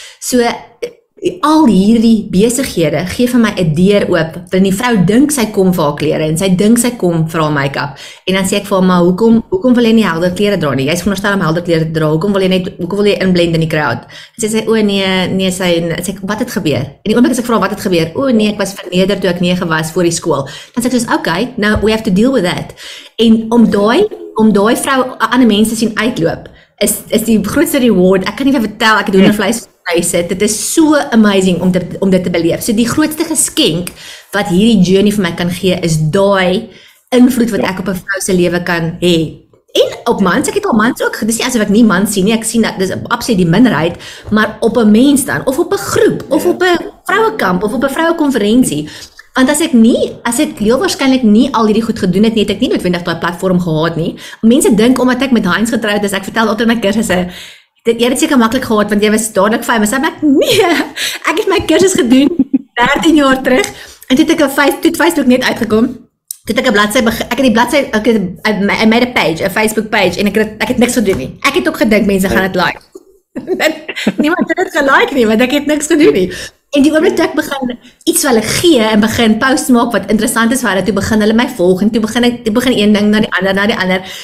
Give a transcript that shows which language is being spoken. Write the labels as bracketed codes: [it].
[af] So al hierdie besighede gee vir my 'n deur oop. Want die vrou dink sy kom vir haar klere en sy dink sy kom vir haar make-up. En dan sê ek vir hom, "Maar hoekom wil jy nie helder klere dra nie? Jy's veronderstel om helder klere te dra. Hoekom wil jy inblend in die crowd?" En sy sê, "O nee, sy wat het gebeur?" En die oomblik as ek vra wat het gebeur, "O nee, ek was verneder toe ek 9 was voor die skool." Dan sê ek soos, [en] "Okay, now we have to deal with that." [af] En om daai vrou aan ander mense sien uitloop, is die grootste reward. Ek kan nie vertel ek het hoender vleis gesit. Dit is so amazing om dit te beleef. So die grootste geskenk wat hierdie journey vir my kan gee is daai invloed wat ek op 'n vrou se lewe kan hê. En op mans, ek het al mans ook, dis nie asof ek nie mans sien nie. Ek sien dat dis absoluut die minderheid, maar op 'n mens dan of op 'n groep of op 'n vrouekamp of op 'n vrouekonferensie. Want as ek heel waarskynlik nie al hierdie goed gedoen het nie, het ek nie noodwendig daai platform gehad nie. Mense dink omdat ek met Heinz getroud is, ek vertel altyd my kursusse, dit het seker maklik gehad want jy was dadelik vyf, maar ek nee. Ek het my kursus gedoen 13 jaar terug en dit het ek op Facebook net uitgekom. Dit het ek 'n bladsy ek het die bladsy ek het [en] I made a page, [af] 'n Facebook page en ek het niks gedoen nie. Ek het ook gedink mense gaan dit like. Niemand het dit gelike nie, want ek het niks gedoen nie. En die oomblik ek begin iets wat hulle gee en begin post maak wat interessant is vir hulle, toe begin hulle my volg en toe begin een ding na die ander.